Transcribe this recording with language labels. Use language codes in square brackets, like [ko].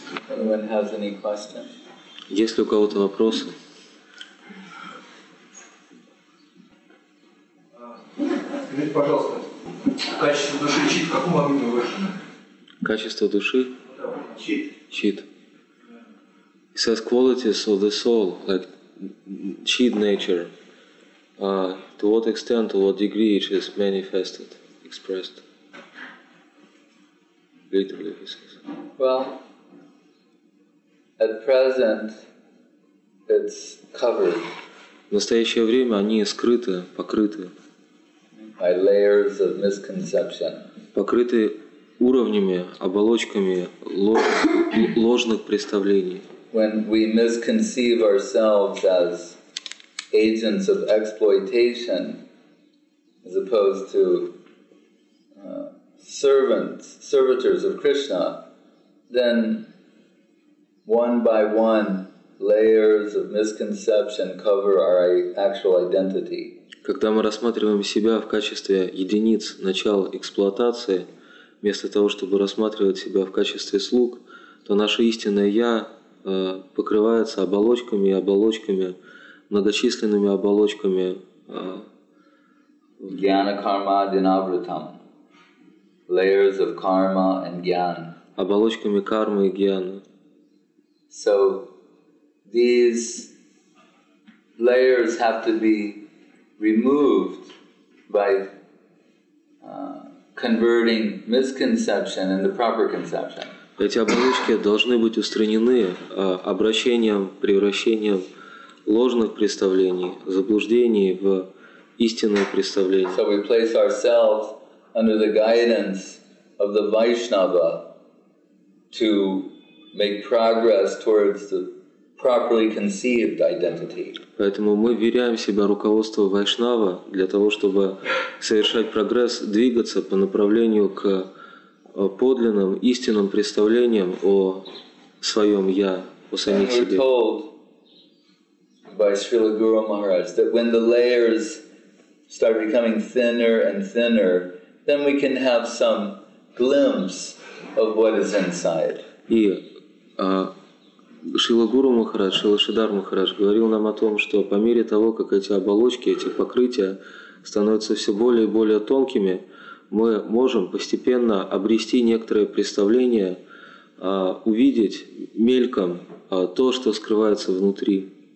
[en] Anyone has any questions? [ru] Есть ли у кого-то вопросы? Скажите, пожалуйста, качество души чит, в каком объеме выражено? Качество души? Чит. Чит. [en] It says qualities of the soul, like чит nature. To what extent, to what degree it is manifested, expressed? Literally, he says. Well, at present, it's covered. [ru] В настоящее время они скрыты, покрыты. [en] By layers of misconception. [ru] Покрыты уровнями, оболочками ложных представлений. [en] when we misconceive ourselves as agents of exploitation, as opposed to servitors of Krishna, then one by one, layers of misconception cover our actual identity. [ru] Когда мы рассматриваем себя в качестве единиц начала эксплуатации, вместо того, чтобы рассматривать себя в качестве слуг, то наше истинное «я» покрывается оболочками и оболочками, многочисленными оболочками. [sa] Jnana karma dinavritam. [en] Layers of karma and jnana. [ru] Оболочками кармы и гьяны. [en] So these layers have to be removed by converting misconception into proper conception. [ru] Эти оболочки должны быть устранены обращением, превращением ложных представлений, заблуждений в истинные представления. [en] So we place ourselves under the guidance of the Vaishnava to make progress towards the properly conceived identity. [ru] Поэтому мы вверяем себя руководству Вайшнава для того, чтобы совершать прогресс, двигаться по направлению к подлинным, истинным представлениям о своем «я», о самих себе. [en] We're told by Srila Guru Maharaj that when the layers start becoming thinner and thinner, then we can have some glimpse of what is inside. [ru] И Шрила Гуру Махарадж, Шрила Шридхар Махарадж говорил нам о том, что по мере того, как эти оболочки, эти покрытия становятся все более и более тонкими, мы можем постепенно обрести некоторое представление, увидеть мельком то, что скрывается внутри.